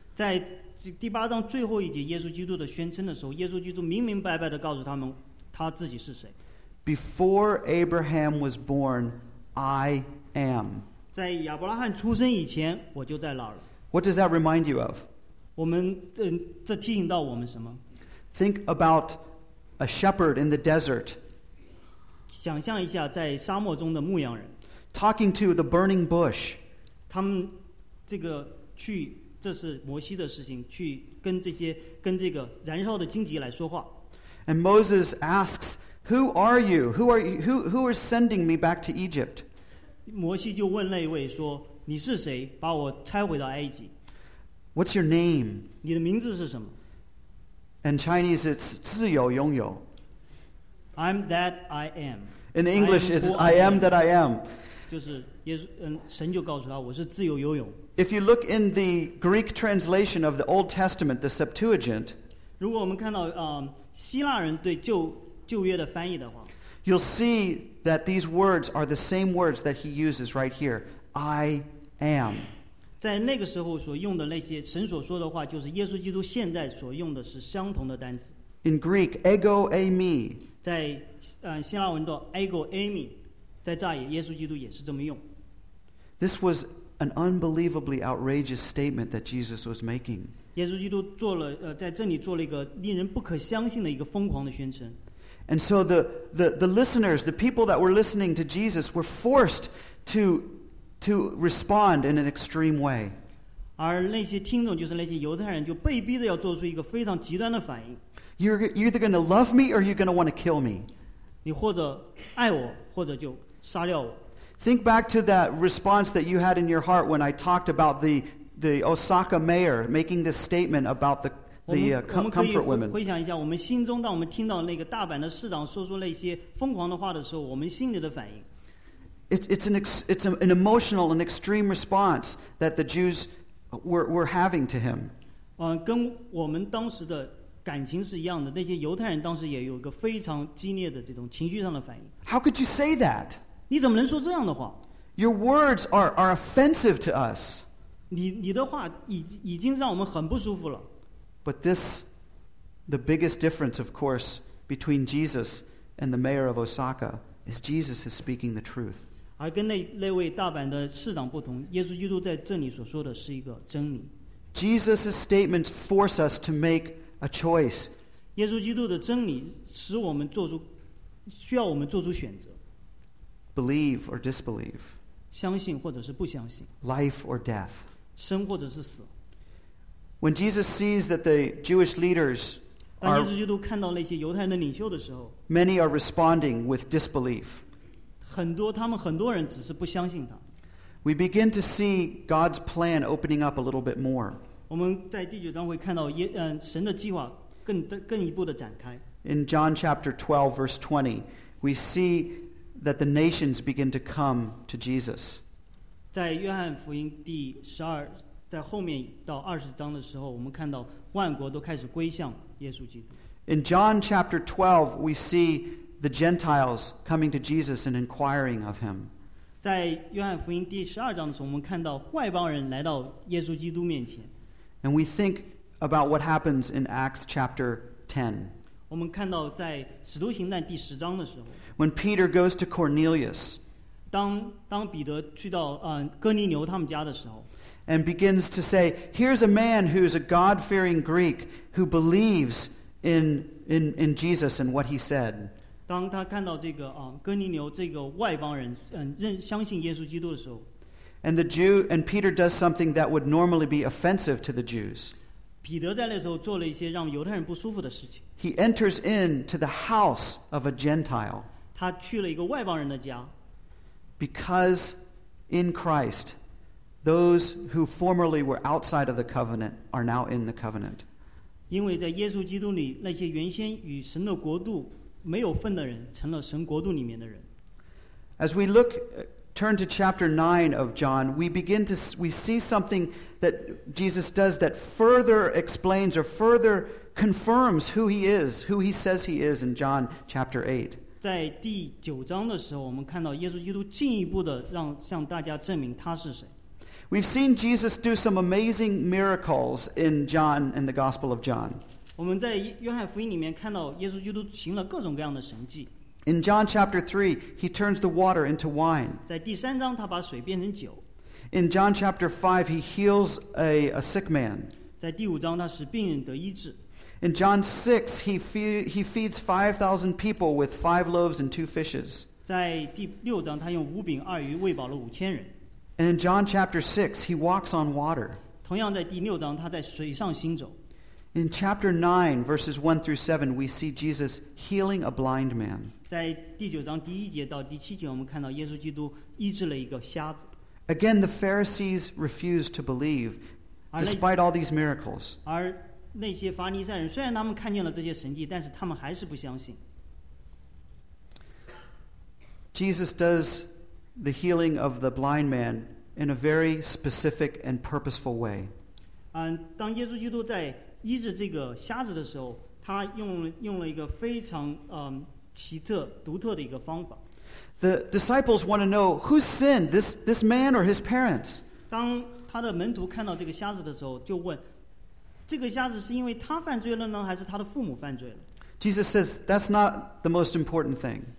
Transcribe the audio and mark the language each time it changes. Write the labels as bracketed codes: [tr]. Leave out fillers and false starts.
[zh] 在第八章最后一节耶稣基督的宣称的时候，耶稣基督明明白白地告诉他们他自己是谁。 [en] Before Abraham was born, I am. [zh] 在亚伯拉罕出生以前，我就在那儿了。 [en] What does that remind you of? [zh] 我们这提醒到我们什么？ [en] Think about a shepherd in the desert. [zh] 想象一下在沙漠中的牧羊人。 [en] Talking to the burning bush. [zh] 他们这个去，这是摩西的事情，去跟这些跟这个燃烧的荆棘来说话。 [en] And Moses asks, "Who are you? Who is sending me back to Egypt?" [zh] 摩西就问那位说，你是谁，把我拆回到埃及？ [en] What's your name? [zh] 你的名字是什么？ [en] In Chinese, it's [zh] 自由拥有。 [en] I'm that I am. In English, it's I am that I am. [zh] 就是耶稣，神就告诉他，我是自由拥有。 [en] If you look in the Greek translation of the Old Testament, the Septuagint, [zh] 如果我们看到希腊人对旧约的翻译的话， [en] you'll see that these words are the same words that he uses right here. I am. [zh] 在那个时候所用的那些神所说的话，就是耶稣基督现在所用的是相同的单词。 [en] In Greek, ego eimi. [zh] 在希腊文的 ego eimi， 在这里耶稣基督也是这么用。 [en] This was an unbelievably outrageous statement that Jesus was making. [zh] 耶稣基督做了在这里做了一个令人不可相信的一个疯狂的宣称。 [en] And so the listeners, the people that were listening to Jesus, were forced to respond in an extreme way. [zh] 而那些听众，就是那些犹太人，就被逼着要做出一个非常极端的反应。 [en] You're either going to love me or you're going to want to kill me. [zh] 你或者爱我，或者就杀掉我。 [en] Think back to that response that you had in your heart when I talked about the Osaka mayor making this statement about the comfort women. [zh] 回想一下，我们心中当我们听到那个大阪的市长说出那些疯狂的话的时候，我们心里的反应。 [en] It's an emotional and extreme response that the Jews were having to him. [zh] 跟我们当时的感情是一样的。那些犹太人当时也有一个非常激烈的这种情绪上的反应。 [en] How could you say that? [zh] 你怎么能说这样的话？ [en] Your words are offensive to us. [zh] 你的话已经让我们很不舒服了。 [en] But this, the biggest difference, of course, between Jesus and the mayor of Osaka. Is Jesus is speaking the truth. [zh] 而跟那位大阪的市长不同，耶稣基督在这里所说的是一个真理。 [en] Jesus' statements force us to make a choice. [zh] 耶稣基督的真理使我们做出，需要我们做出选择。 [en] Believe or disbelieve. [zh] 相信或者是不相信。 [en] Life or death. [zh] 生或者是死。 [en] When Jesus sees that the Jewish leaders [zh] 当耶稣基督看到那些犹太人的领袖的时候， [en] Many are responding with disbelief. [zh] 他们很多人只是不相信他。 [en] We begin to see God's plan opening up a little bit more. [zh] 我们在第九章会看到神的计划更一步的展开。 [en] In John chapter 12 verse 20, we see that the nations begin to come to Jesus. [zh] 在约翰福音第十二，在后面到二十章的时候，我们看到万国都开始归向。 [en] In John chapter 12, we see the Gentiles coming to Jesus and inquiring of him. [zh] 在约翰福音第十二章的时候，我们看到外邦人来到耶稣基督面前。 [en] And we think about what happens in Acts chapter 10. [zh] 我们看到在使徒行传第十章的时候， [en] when Peter goes to Cornelius, [zh] 当彼得去到哥尼流他们家的时候。 [en] And begins to say, "Here's a man who is a God-fearing Greek who believes in Jesus and what he said." [zh] 当他看到这个哥尼流这个外邦人相信耶稣基督的时候， [en] And Peter does something that would normally be offensive to the Jews. [zh] 彼得在那时候做了一些让犹太人不舒服的事情。 [en] He enters into the house of a Gentile. [zh] 他去了一个外邦人的家。 [en] Because in Christ. Those who formerly were outside of the covenant are now in the covenant. [zh] 因为在耶稣基督里，那些原先与神的国度没有份的人，成了神国度里面的人。 [en] As we look, turn to chapter 9 of John, we see something that Jesus does that further explains or further confirms who he is, who he says he is in John chapter 8. [zh] 在第九章的时候，我们看到耶稣基督进一步的向大家证明他是谁。 [en] We've seen Jesus do some amazing miracles in John, in the Gospel of John. [zh] 我们在约翰福音里面看到耶稣基督行了各种各样的神迹。 [en] In John chapter 3, he turns the water into wine. [zh] 在第三章, 他把水变成酒。 [en] In John chapter 5, he heals a sick man. [zh] 在第五章, 他使病人得医治。 [en] In John 6, he feeds 5,000 people with 5 loaves and 2 fishes. [zh] 在第六章, 他用五饼二鱼喂饱了5,000人。 [en] And in John chapter 6, he walks on water. [zh] 同样在第六章, 他在水上行走。 [en] In chapter 9, verses 1 through 7, we see Jesus healing a blind man. [zh] 在第九章第一节到第七节, 我们看到耶稣基督医治了一个瞎子。 [en] Again, the Pharisees refused to believe, despite all these miracles. [zh] 而那些法利赛人, 虽然他们看见了这些神迹, 但是他们还是不相信。 [en] Jesus does the healing of the blind man in a very specific and purposeful way. [zh] 当耶稣基督在 医治这个瞎子的时候, 他用了一个非常, 独特的一个方法。 [en] The disciples want to know who sinned, this man or his parents? [zh] 当他的门徒看到这个瞎子的时候, 就问, 这个瞎子是因为他犯罪了呢, 还是他的父母犯罪了? [en] Jesus says, that's not the most important thing.